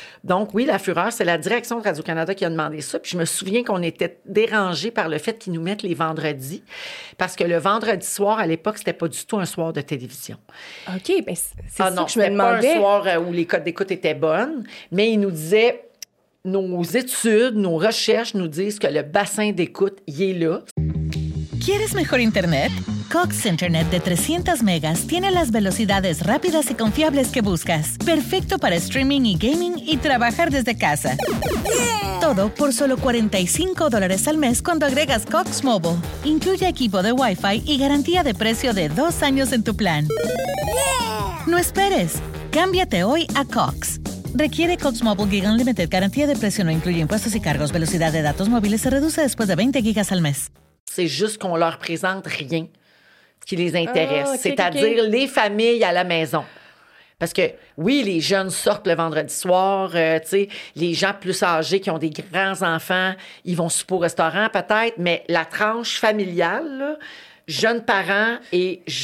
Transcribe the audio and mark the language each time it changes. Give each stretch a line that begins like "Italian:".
French: Donc oui, La Fureur, c'est la direction de Radio-Canada qui a demandé ça, puis je me souviens qu'on était dérangés par le fait qu'ils nous mettent les vendredis, parce que le vendredi soir, à l'époque, c'était pas du tout un soir de télévision. OK, bien c'est ça que je me demandais. C'était pas un soir où les codes d'écoute étaient bonnes, mais ils nous disaient... Nos études, nos recherches nous disent que le bassin d'écoute, y est là.
Spanish: ¿Quieres mejor internet? Cox Internet de 300 megas tiene las velocidades rápidas y confiables que buscas. Perfecto para streaming y gaming y trabajar desde casa.
English: Yeah.
Spanish: Todo por solo $45 al mes cuando agregas Cox Mobile. Incluye equipo de Wi-Fi y garantía de precio de 2 años en tu plan.
English: Yeah.
Spanish: No esperes. Cámbiate hoy a Cox. Requiere Cox Mobile Gig Unlimited. Garantía de precio no incluye impuestos y cargos. Velocidad de datos móviles se reduce después de 20 gigas al mes.
French: C'est juste qu'on leur présente rien qui les intéresse. C'est-à-dire les familles à la maison. Parce que, oui, les jeunes sortent le vendredi soir, tu sais, les gens plus âgés qui ont des grands-enfants, ils vont souper au restaurant peut-être, mais la tranche familiale, là, jeunes parents et...